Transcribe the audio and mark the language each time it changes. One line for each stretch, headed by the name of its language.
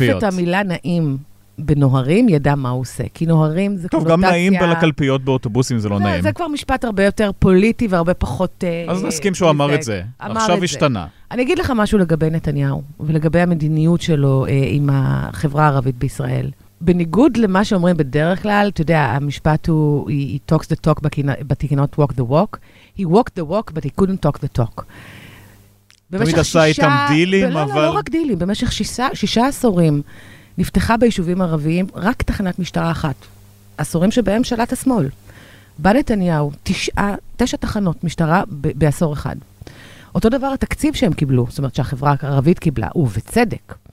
Hebrew: מי שהחליף את המילה נעים... בנוהרים ידע מה הוא עושה. כי נוהרים זה קונוטציה... טוב, גם נעים בלקלפיות באוטובוסים זה לא נעים. זה כבר משפט הרבה יותר פוליטי והרבה פחות... אז נסכים שהוא אמר את זה. עכשיו השתנה. אני אגיד לך משהו לגבי נתניהו, ולגבי המדיניות שלו עם החברה הערבית בישראל. בניגוד למה שאומרים בדרך כלל, אתה יודע, המשפט הוא,
English: he talks the talk, but he cannot walk the walk. He walked the walk, but he couldn't talk the talk.
Hebrew: תמיד עשה איתם דילים, אבל... לא רק דילים, במשך שישה עשורים נפתחה ביישובים ערביים רק תחנת משטרה אחת. עשורים שבהם שלט השמאל. בא נתניהו, תשע תחנות משטרה בעשור אחד. אותו דבר התקציב שהם קיבלו, זאת אומרת שהחברה הערבית קיבלה, ובצדק.